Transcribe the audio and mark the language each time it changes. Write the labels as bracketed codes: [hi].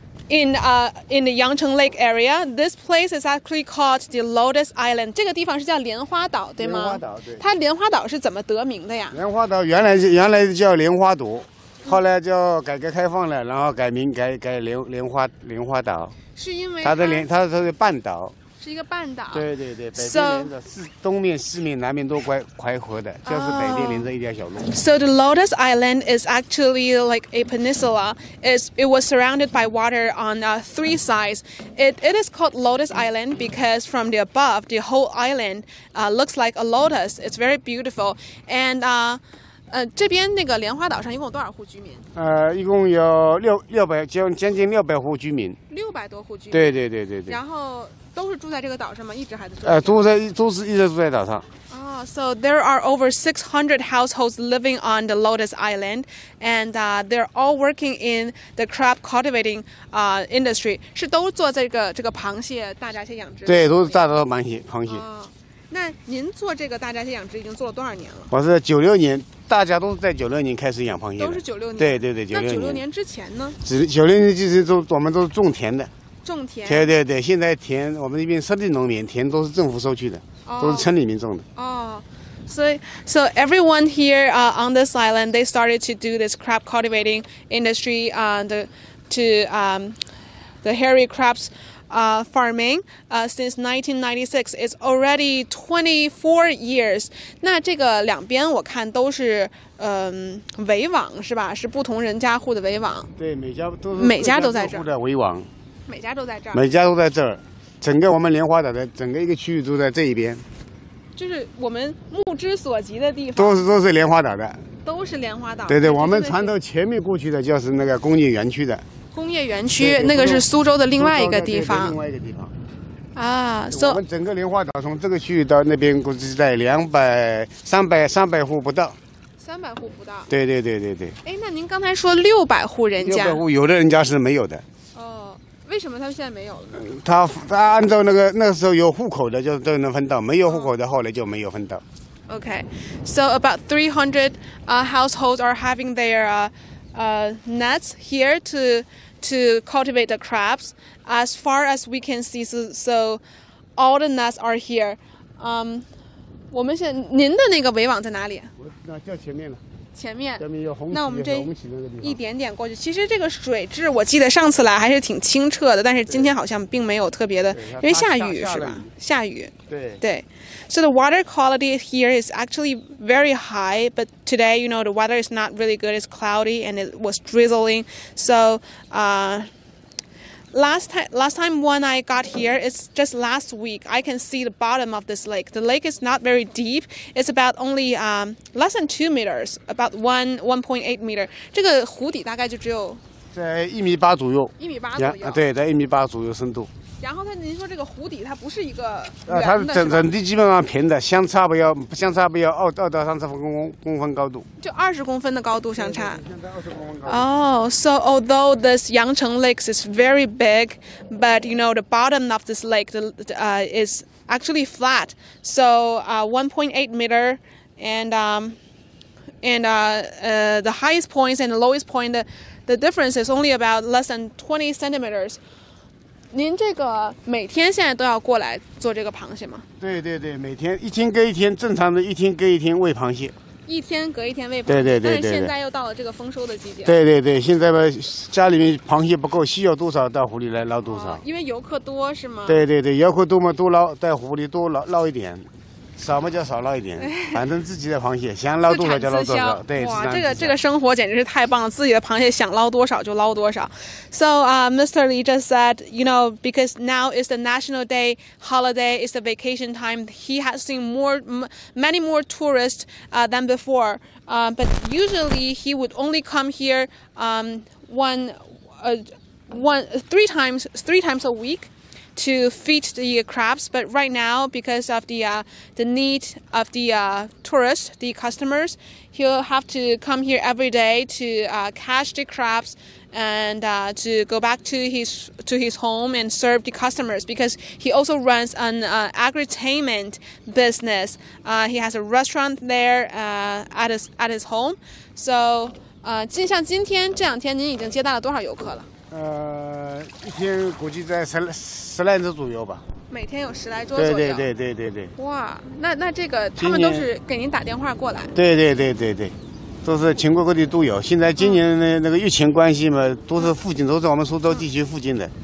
[en] In the Yangcheng Lake area, this place is actually called the Lotus Island. [zh] 这个地方是叫莲花岛，对吗？莲花岛，对。它莲花岛是怎么得名的呀？莲花岛原来叫莲花岛，后来叫改革开放了，然后改名改莲花岛。是因为它是半岛。是一个半岛。对对对，北边连着东面、西面、南面都淮河的，就是北边连着一条小路。 [en] So the Lotus Island is actually like a peninsula. It was surrounded by water on three sides. It is called Lotus Island because from the above, the whole island looks like a lotus. It's very beautiful. And [zh] 这边那个莲花岛上一共有多少户居民？一共有将近600户居民。 600多户居民。对对对对对。然后。都是住在这个岛上吗？一直还在住在。都是一直住在岛上。 [en] So there are over 600 households living on the Lotus Island, and they're all working in the crab cultivating industry. [zh] 是都做这个螃蟹、大闸蟹养殖。对，都是大闸蟹、螃蟹。那您做这个大闸蟹养殖已经做了多少年了？我是96年，大家都是在96年开始养螃蟹。都是96年。对对对，96年。那96年之前呢？ 96年就是我们都是种田的。种田，对对对，现在田我们那边山地农民田都是政府收去的，都是村里面种的。 [en] So everyone here on this island, they started to do this crab cultivating industry the hairy crabs farming since 1996. It's already 24 years. [zh] 那这个两边我看都是围网是吧？是不同人家户的围网。对，每家都在这儿的围网。每家都在这儿，整个我们莲花岛的整个一个区域都在这一边，就是我们目之所及的地方都是莲花岛的，都是莲花岛。对对，我们船头前面过去的就是那个工业园区的。工业园区那个是苏州的另外一个地方。另外一个地方。啊，我们整个莲花岛从这个区域到那边估计在300户不到。 300户不到。对对对对对。哎，那您刚才说600户人家。 600户，有的人家是没有的。为什么他们现在没有了？他按照那个时候有户口的就都能分到，没有户口的后来就没有分到。 [en] Okay, so about 300 households are having their nets here to cultivate the crabs. As far as we can see, so all the nets are here. [zh] 我们现在您的那个围网在哪里？我那叫前面了。前面，那我们这一点点过去，其实这个水质我记得上次来还是挺清澈的，但是今天好像并没有特别的，因为下雨是吧？下雨。对。 [en] So the water quality here is actually very high, but today, you know, the weather is not really good. It's cloudy and it was drizzling. So, last time when I got here, it's just last week. I can see the bottom of this lake. The lake is not very deep. It's about only less than 2 meters, about 1.8 meter. [zh] 这个湖底大概就只有在一米八左右。一米八左右。对，在一米八左右深度。然后它，您说这个湖底它不是一个圆的，它整地基本上平的，相差不要二到三十公分高度，就二十公分的高度相差。现在20公分高度。 [en] Oh, so although this Yangcheng Lake is very big, but you know the bottom of this lake is actually flat. So 1.8 meter, and the highest points and the lowest point, the difference is only about less than 20 centimeters. [zh] 您这个每天现在都要过来做这个螃蟹吗？对对对，每天一天隔一天，正常的一天隔一天喂螃蟹。一天隔一天喂螃蟹。对对 对, 对, 对。但是现在又到了这个丰收的季节。对对对，现在吧，家里面螃蟹不够，需要多少到湖里来捞多少。因为游客多是吗？对对对，游客多嘛，多捞，在湖里多捞一点，少嘛就少捞一点，反正自己的螃蟹想捞多少就捞多少。对，哇，这个生活简直是太棒了，自己的螃蟹想捞多少就捞多少。 [en] So, Mr. Li just said, you know, because now is the National Day holiday, it's the vacation time. He has seen many more tourists than before. But usually he would only come here three times a week. To feed the crabs, but right now because of the need of the tourists, the customers, he'll have to come here every day to catch the crabs and to go back to his home and serve the customers. Because he also runs an agritainment business. He has a restaurant there at his home. So, [zh] 像今天这两天，您已经接待了多少游客了？一天估计在十来只左右吧。每天有十来桌左右。对对对对对对。哇，那这个他们都是给您打电话过来。对对对对对，都是全国各地都有。现在今年的那个疫情关系嘛，都是附近，都是我们苏州地区附近的。